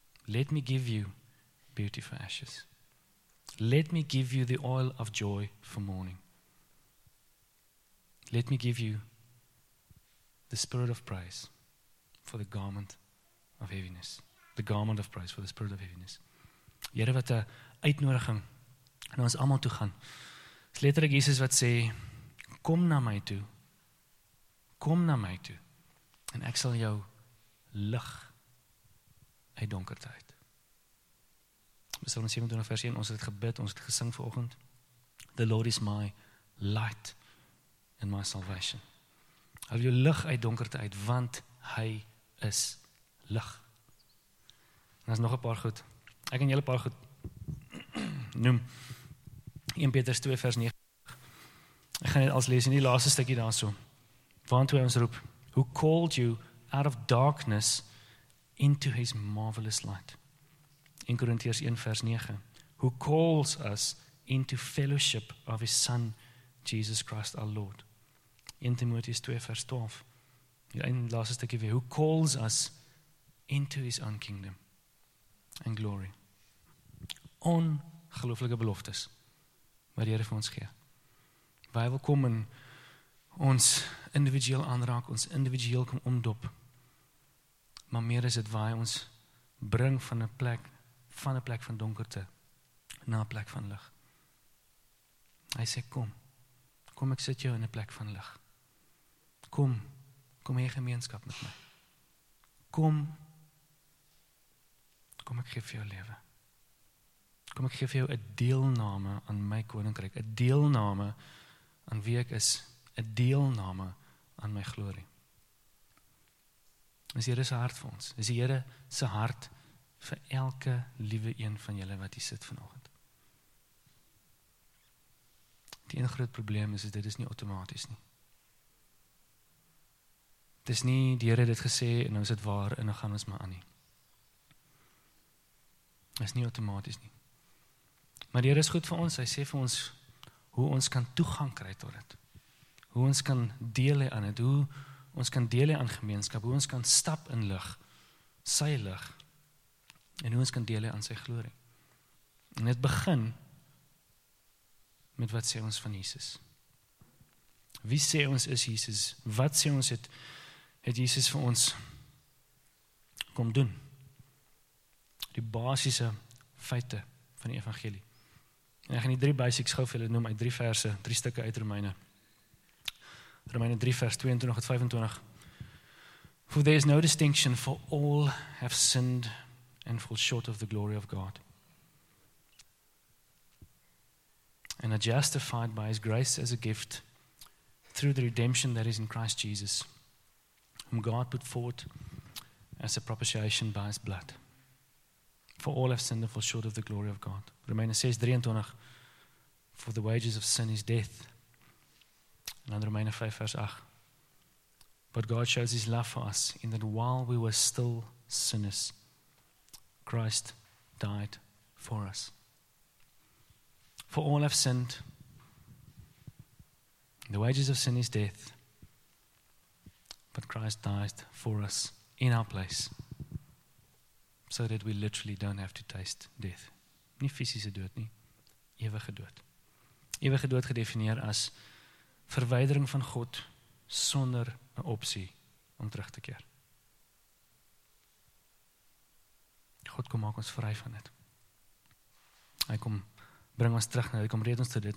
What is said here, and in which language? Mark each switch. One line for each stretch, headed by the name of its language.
English: Let me give you beautiful ashes. Let me give you the oil of joy for mourning. Let me give you the spirit of praise for the garment of heaviness. The garment of praise for the spirit of heaviness.
Afrikaans: Here wat 'n uitnodiging na ons allemaal toe gaan. Is letterlijk Jesus wat sê, kom na my toe. Kom na my toe. En ek sal jou lig uit donkerte uit. Psalm 27 vers 1, ons het gebid, ons het gesing vanoggend.
English: The Lord is my light and my salvation.
Afrikaans: Hou jou lig uit donkerte uit, want hy is lig. En daar is nog 'n paar goed. Ek kan julle 'n paar goed noem. 1 Petrus 2 vers 9. Ek gaan net als lees in die laaste stukkie daarso. Waantoe hy ons roep,
English: who called you out of darkness into his marvelous light. 1 Corinthians 1 verse 9. Who calls us into fellowship of his son, Jesus Christ our Lord. 1 Timotheus 2 verse 12.
Afrikaans: Die einde laaste stukkie weer.
English: Who calls us into his own kingdom and glory.
Afrikaans: Ongelooflike beloftes wat die Here vir ons gee. Bybel kom en ons individueel aanraak, ons individueel kom omdop. Maar meer is dit waar hy ons bring van 'n plek van donkerte na 'n plek van lig. Hy sê kom. Kom ek sit jou in 'n plek van lig. Kom. Kom hê gemeenskap met my. Kom. Kom ek gee vir jou lewe. Kom ek gee vir jou 'n deelname aan my koninkryk, 'n deelname aan wie ek is, 'n deelname aan my glorie. Is die Here se hart vir ons? Is die Here se hart vir elke liewe een van julle wat hier sit vanoggend? Die een groot probleem is, dit is nie outomaties nie. Dit is nie die Here het dit gesê en nou is dit waar en dan gaan ons maar aan nie. Dit is nie outomaties nie. Maar die Here is goed vir ons. Hy sê vir ons hoe ons kan toegang kry tot dit. Hoe ons kan deel hê aan dit. Hoe ons kan deel hê aan gemeenskap. Hoe ons kan stap in lig. Sy lig. En hoe ons kan deel hê aan sy glorie. En dit begin met wat sê ons van Jesus. Wie sê ons is Jesus? Wat sê ons het Jesus vir ons kom doen? Die basiese feite van die evangelie. En ek gaan die drie basics gou vir julle noem uit drie verse, drie stukke uit Romeine. Romeine 3 vers 22 tot 25.
English: For there is no distinction, for all have sinned and fall short of the glory of God. And are justified by his grace as a gift through the redemption that is in Christ Jesus, whom God put forward as a propitiation by his blood. For all have sinned and fall short of the glory of God. Romeine 6, 23. For the wages of sin is death. And then Romeine 5, verse 8. But God shows his love for us in that while we were still sinners, Christ died for us. For all have sinned. The wages of sin is death. But Christ died for us in our place. So that we literally don't have to taste death.
Afrikaans: Nie fysiese dood nie. Ewige dood. Ewige dood gedefinieer as verwydering van God sonder 'n opsie om terug te keer. God kom maak ons vry van dit. Hy kom bring ons terug na hy kom red ons tot dit.